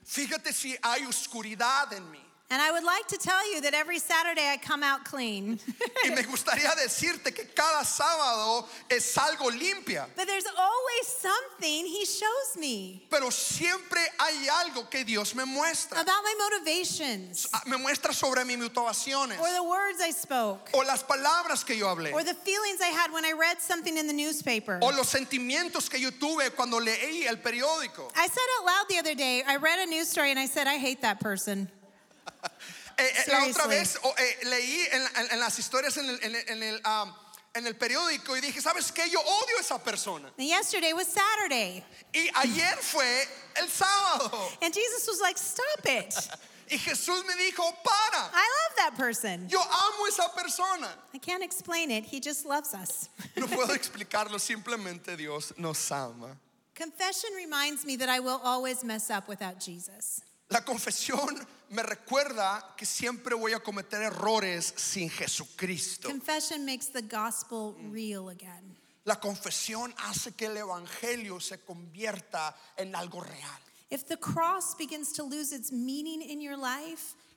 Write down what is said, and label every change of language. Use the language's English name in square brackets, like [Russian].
[Spanish] Fíjate si hay oscuridad en mí. [English] And I would like to tell you that every Saturday I come out clean. [Spanish] Y me gustaría decirte que cada sábado es algo limpia. [English] But there's always something he shows me. [Spanish] Pero siempre hay algo que Dios me muestra. [English] About my motivations. [Spanish] Me muestra sobre mis motivaciones. [English] Or the words I spoke. [Spanish] O las palabras que yo hablé. [English] Or the feelings I had when I read something in the newspaper. [Spanish] O los sentimientos que yo tuve cuando leí el periódico. [English] I said out loud the other day, I read a news story and I said, I hate that person. [Spanish] La otra vez leí en las historias en el en el periódico y dije, ¿sabes qué? Yo odio a esa persona. [English] And yesterday was Saturday. [Spanish] Y ayer fue el sábado. [English] And Jesus was like, stop it. [Spanish] Y Jesús me dijo, para. [English] I love that person. [Spanish] Yo amo esa persona. [English] I can't explain it. He just loves us. [Spanish] No puedo explicarlo. Simplemente Dios nos ama. [English] Confession reminds me that I will always mess up without Jesus. [Spanish] La confesión me recuerda que siempre voy a cometer errores sin Jesucristo. [English] Confession makes the gospel real again. [Spanish] La confesión hace que el evangelio se convierta en algo real. [English] If the cross begins to lose its meaning in your life,